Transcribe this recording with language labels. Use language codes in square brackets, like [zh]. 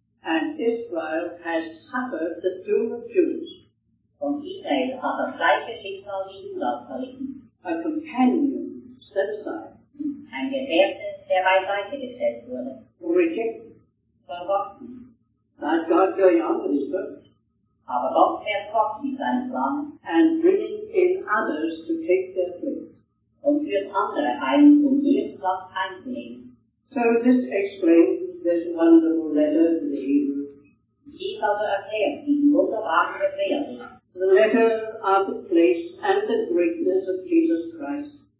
[en] And Israel has suffered the doom of Judas. [de] Und Israel hat das gleiche Schicksal wie Judas verlitten. [en] A companion set aside. [de] Ein Gefährte, der beiseite gestellt wurde. [en] Rejected. [de] Verworfen. [en] Now God going on with his purpose. [de] Aber Gott fährt fort mit seinem Plan. [en] And bringing in others to take their place. [de] Und führt andere ein, um ihren Platz einzunehmen. [en] So this explains this wonderful letter to the Hebrews. [de] Dies aber erklärt diesen wunderbaren Hebräerbrief. [en] The letter of the place and the greatness of Jesus Christ.